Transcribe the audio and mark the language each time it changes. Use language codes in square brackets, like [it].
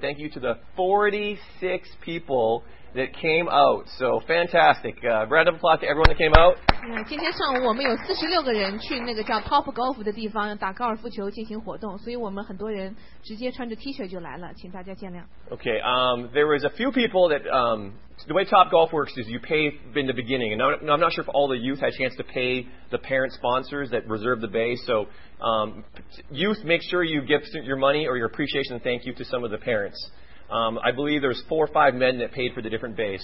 [en] Thank you to the 46 people that came out. So, fantastic. Round of applause to everyone that came out. [zh] 今天上午我们有46个人去那个叫Top Golf的地方打高尔夫球进行活动 所以我们很多人直接穿着T恤就来了 请大家见谅 [en] Okay, there was a few people that the way Top Golf works is you pay in the beginning and I'm not sure if all the youth had a chance to pay the parent sponsors that reserve the bay so youth, make sure you give your money or your appreciation and thank you to some of the parents I believe there's 4 or 5 men that paid for the different bays.